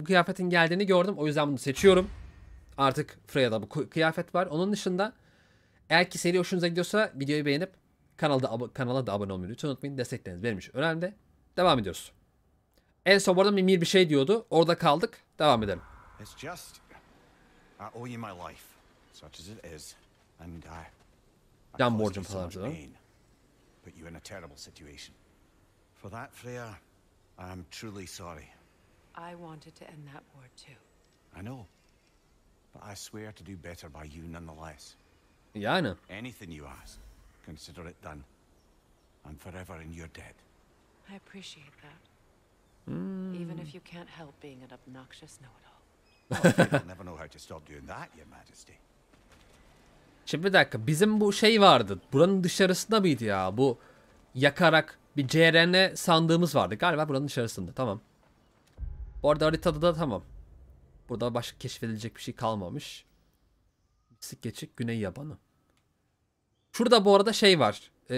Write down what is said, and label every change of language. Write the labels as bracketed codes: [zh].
[tr] Bu kıyafetin geldiğini gördüm. O yüzden bunu seçiyorum. Artık Freya'da bu kıyafet var. Onun dışında eğer ki seri hoşunuza gidiyorsa videoyu beğenip kanala da abone olmayı lütfen unutmayın. Destekleriniz benim için önemli. Devam ediyoruz. En son burada Mimir bir şey diyordu. Orada kaldık. Devam edelim. [en] It's just I owe you my life, such as it is, and I can't cause you so much [tr] falan. [en] Pain, put you in a terrible situation. For that, Freya, I am truly sorry. I wanted to end that war too. I know, but I swear to do better by you nonetheless. [tr] Yani. [en] Anything you ask, consider it done. I'm forever in your debt. I appreciate that. Hmm. Even if you can't help being an obnoxious know-it-all. I'll never know how to stop doing that, Your Majesty. [tr] Şimdi bir dakika, bizim bu şey vardı. Buranın dışarısında mıydı ya? Bu yakarak bir CRN'e sandığımız vardı. Galiba buranın dışarısında. Tamam. Bu arada haritada da tamam. Burada başka keşfedilecek bir şey kalmamış. Sık geçik güney yabanı. Şurada bu arada şey var.